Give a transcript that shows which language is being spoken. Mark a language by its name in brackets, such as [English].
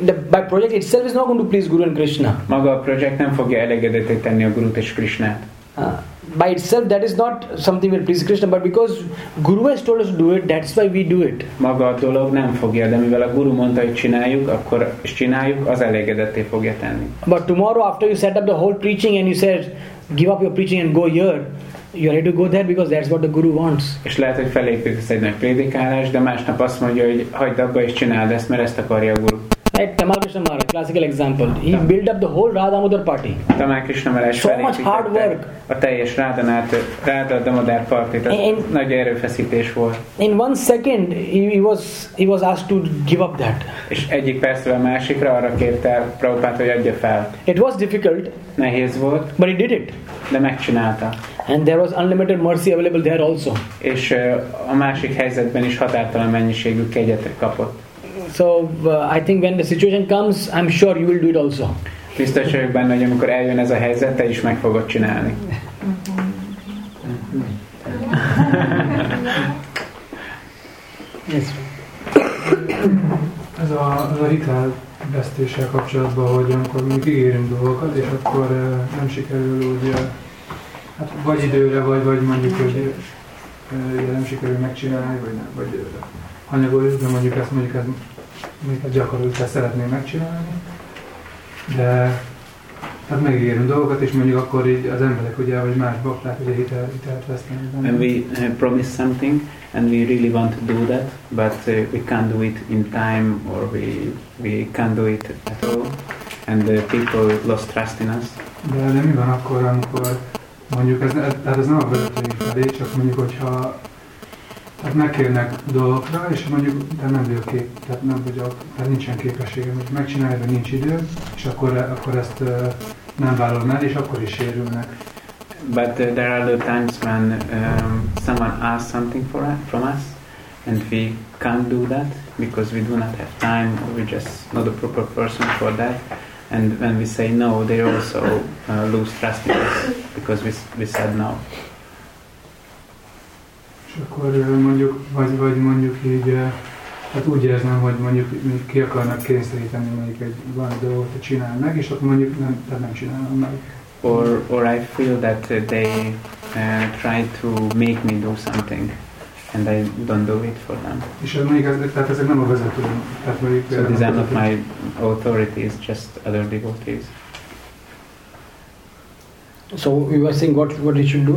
[English] By project itself is not going to please Guru and Krishna. [Hungarian] Maga a project nem fogja elégedetté tenni a Gurut és Krishnát. [English] By itself that is not something that pleases Krishna, but because Guru has told us to do it, that's why we do it. [Hungarian] Maga a dolog nem fogja, de mivel a Guru mondta, hogy csináljuk, akkor is csináljuk, az elégedetté fogja tenni. [English] But tomorrow after you set up the whole preaching and you said, give up your preaching and go here, you are ready to go there because that's what the guru wants. [Hungarian] És lehet, hogy felépítesz egy nagy prédikálást, de másnap azt mondja, hogy hagyd abba és csináld ezt, mert ezt akarja a guru. [English] Hey, Tamal Krishna Maharaj, classical example. He built up the whole Radha Damodar party. [Hungarian] Tamal Krishna Maharaj felépítette a teljes Radha Damodar partyt. Nagy erőfeszítés volt. [English] In one second he was asked to give up that. [Hungarian] És egyik percről a másikra arra kérte Prabhupát, hogy adja fel. [English] It was difficult. [Hungarian] Nehéz volt. [English] But he did it. [Hungarian] De megcsinálta. [English] And there was unlimited mercy available there also. [Hungarian] És a másik helyzetben is határtalan mennyiségű kegyet kapott. [English] So I think when the situation comes, I'm sure you will do it also. [Hungarian] Biztos vagyok benne, hogy amikor eljön ez a helyzet, te is meg fogod csinálni. Ez a hitel vesztéssel kapcsolatban, hogy amikor mi ígérünk dolgokat, és akkor nem sikerül úgy, hát vagy időre, vagy mondjuk, hogy nem sikerül megcsinálni, vagy nem, vagy anyagoljuk, de mondjuk ezt még gyakorlatilag szeretném megcsinálni, de hát megígérünk dolgokat, és mondjuk akkor így az emberek ugye, vagy más bakták ugye hitelt vesznek. [English] And we promise something, and we really want to do that, but we can't do it in time, or we can't do it at all, and the people lost trust in us. [Hungarian] De mi van akkor, amikor mondjuk ez nem a vezetői felé, csak mondjuk, hogyha tehát megkérnek dolgokra, és mondjuk, de nem vagyok kép, tehát nem vagyok, tehát nincsen képességem, hogy megcsinálja, de nincs idő, és akkor ezt nem vállalom el, és akkor is sérülnek. [English] But there are the times when someone asks something from us, and we can't do that, because we do not have time, or we're just not a proper person for that. And when we say no, they also lose trust in us, because we said no. [Hungarian] És akkor mondjuk, vagy mondjuk így, hát úgy érzem, hogy mondjuk ki akarnak kényszeríteni, mondjuk egy valami dolgot, hogy csinálj meg, és akkor mondjuk nem csinálom meg. [English] Or I feel that they try to make me do something, and I don't do it for them. [Hungarian] És ez mondjuk, tehát ezek nem a vezetőm. [English] So these are not my authorities, just other devotees. So you were saying what you should do?